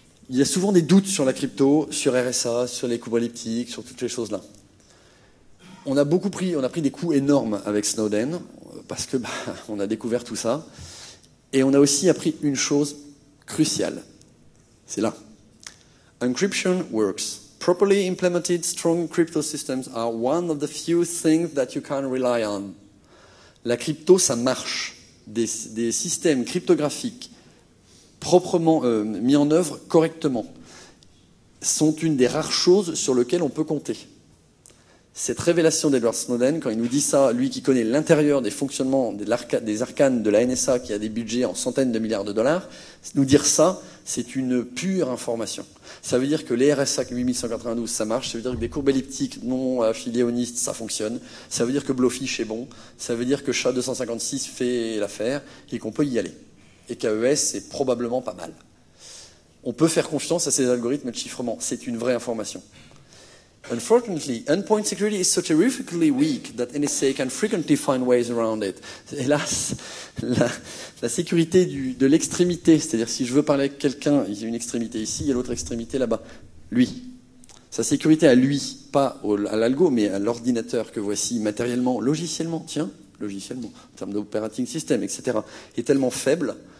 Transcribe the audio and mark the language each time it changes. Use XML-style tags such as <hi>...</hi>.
<fr>Il y a souvent des doutes sur la crypto, sur RSA, sur les coupes elliptiques, sur toutes ces choses-là. On a pris des coups énormes avec Snowden, parce que on a découvert tout ça. Et on a aussi appris une chose cruciale. C'est là.</fr> <en>Encryption works. Properly implemented strong crypto systems are one of the few things that you can rely on.</en> <fr>La crypto, ça marche. Des systèmes cryptographiques proprement mis en œuvre correctement, sont une des rares choses sur lesquelles on peut compter. Cette révélation d'Edward Snowden, quand il nous dit ça, lui qui connaît l'intérieur des fonctionnements des arcanes de la NSA, qui a des budgets en centaines de milliards de dollars, nous dire ça, c'est une pure information. Ça veut dire que les RSA 8192, ça marche, ça veut dire que des courbes elliptiques non affiliées au NIST, ça fonctionne, ça veut dire que Blowfish est bon, ça veut dire que SHA-256 fait l'affaire et qu'on peut y aller. Et KES, c'est probablement pas mal. On peut faire confiance à ces algorithmes de chiffrement. C'est une vraie information.</fr> <en>Unfortunately, endpoint security is so terrifically weak that NSA can frequently find ways around it.</en> <fr>Hélas, la sécurité de l'extrémité, c'est-à-dire si je veux parler avec quelqu'un, il y a une extrémité ici, il y a l'autre extrémité là-bas. Lui. Sa sécurité à lui, pas à l'algo, mais à l'ordinateur que voici matériellement, logiciellement, tiens. Logiciellement, en termes d'operating system, etc., est tellement faible</fr>